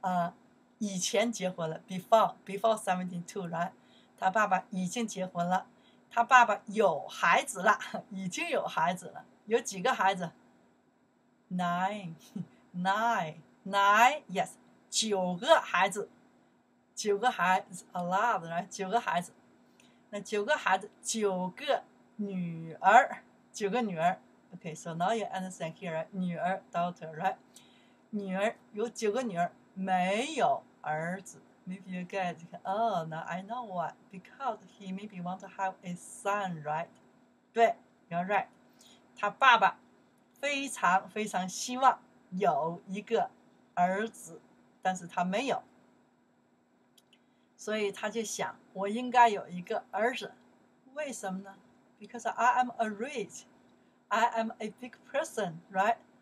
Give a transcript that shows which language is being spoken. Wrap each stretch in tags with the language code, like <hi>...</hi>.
<zh>他爸爸已经结婚了。他爸爸以前结婚了,</zh> <en>before 72, right?</en> <zh>他爸爸已经结婚了。他爸爸有孩子了,已经有孩子了。有几个孩子?</zh> <en>Nine. Nine, yes,</en> <zh>九个孩子, 九个孩子,</zh> <en>a lot, right?</en> <zh>九个孩子, 那九个孩子, 九个女儿, 九个女儿,</zh> <en>okay, so now you understand here, right? 女儿, daughter, right? 女儿,</en> <zh>有九个女儿,</zh> <en>没有儿子, maybe you get, oh, now I know what, because he maybe want to have a son, right?</en> <zh>对,</zh> <en>you're right,</en> <zh>他爸爸, 非常, 非常希望, 有一个, 儿子，但是他没有，所以他就想，我应该有一个儿子，为什么呢？</zh> <en>Because I am a rich, I am a big person, right?</en>